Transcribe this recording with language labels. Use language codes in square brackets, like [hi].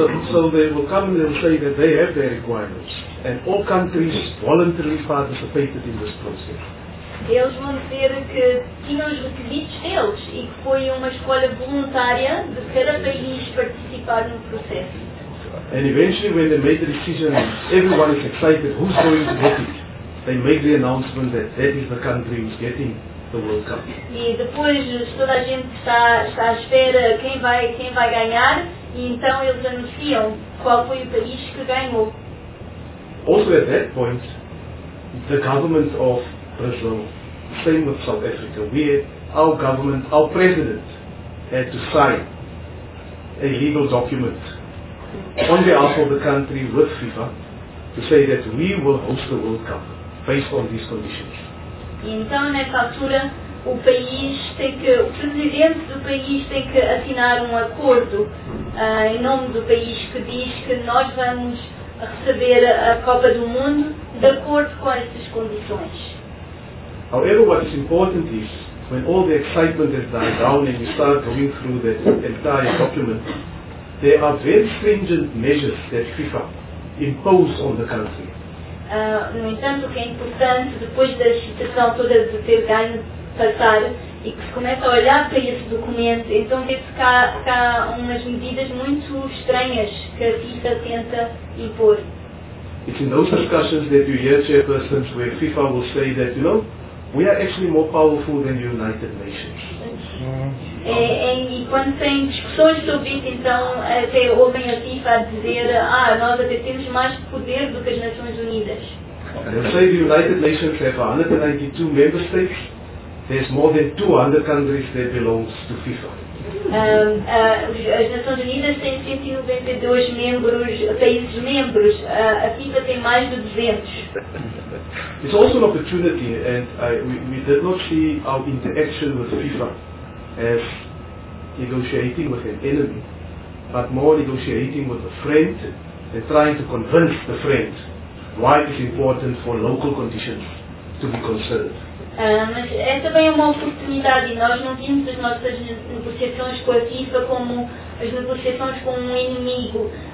[en] So they will come and they will say that they have their requirements and all countries voluntarily participated in this process. [pt] Eles vão dizer que tinham os requisitos deles e que foi uma escolha voluntária de cada país participar no processo. [en] And eventually when they make the decision, everyone is excited, who's going to get it? They make the announcement that that is the country who's getting the World Cup. [pt] E depois toda a gente está à espera quem vai ganhar e então eles anunciam qual foi o país que ganhou. [en] Also at that point, the government of Brazil, same with South Africa, we had, our government, our president had to sign a legal document on behalf of the country with FIFA to say that we will host the World Cup based on these conditions. [pt] Então, nessa altura, o país tem que, o presidente do país tem que assinar um acordo em nome do país que diz que nós vamos receber a Copa do Mundo de acordo com essas condições. [en] However, what is important is when all the excitement has died down and you start going through that entire document, there are very stringent measures that FIFA impose on the country. [pt] No entanto, o que é importante, depois da excitação toda de ter ganho passar e que se começa a olhar para esse documento, então vê-se que há umas medidas muito estranhas que a FIFA tenta impor. [en] It's in those discussions that you hear chairpersons where FIFA will say that, you know, we are actually more powerful than the United Nations. [pt] E quando tem discussões sobre isso, então até ouvem a FIFA a dizer, ah, nós até temos mais poder do que as Nações Unidas. [en] And they say the United Nations have 192 member states. There's more than 200 countries that belongs to FIFA. [pt] As Nações Unidas têm 192 membros, países membros. A FIFA tem mais de 200. [en] It's also an opportunity, and we did not see our interaction with FIFA as negotiating with an enemy, but more negotiating with a friend and trying to convince the friend why it is important for local conditions to be considered. [pt] Mas é também uma oportunidade, e nós não vimos as nossas negociações com a FIFA como as negociações com um inimigo.